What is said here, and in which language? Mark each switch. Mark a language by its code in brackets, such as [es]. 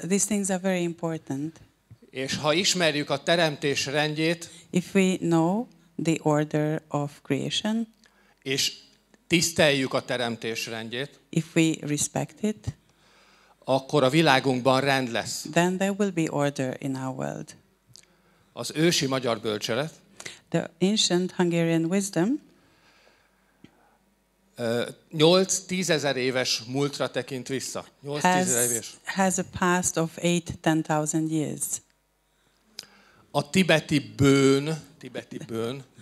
[en] These things are very important. [hu] És ha ismerjük a teremtés rendjét, [en] if we know the order of creation, [hu] és tiszteljük a teremtés rendjét, [en] if we respect it, [hu] akkor a világunkban rend lesz. [en] Then there will be order in our world. [hu] Az ősi magyar bölcselet, [en] the ancient Hungarian wisdom, [hu] 8-10 éves múltra tekint vissza. 8-10 éves. [en] Has a past of 8-10,000 years. [hu] A tibeti bőn,